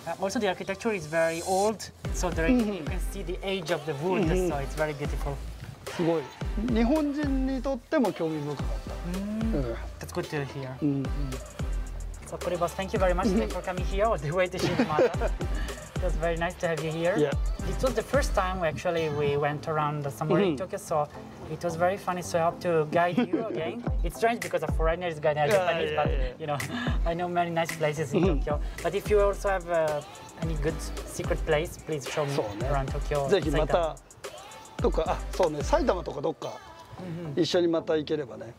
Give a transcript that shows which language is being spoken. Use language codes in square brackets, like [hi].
[en] Also, the architecture is very old, so there you can see the age of the wood, so it's very beautiful. [ja] すごい。日本人にとっても興味深かった。 [en] うん、That's good to hear. So, Kuri-Boss, thank you very much for coming here on the way to Shibamata. It was very nice to have you here. Yeah. It was the first time we actually we went around somewhere in Tokyo, so it was very funny. So I hope to guide you again. It's strange because a foreigner is guiding a Japanese, but you know, I know many nice places in Tokyo. But if you also have any good secret place, please show me around Tokyo. [ja] ぜひまたどっか、あ、そうね、埼玉とかどっか一緒にまた行ければね。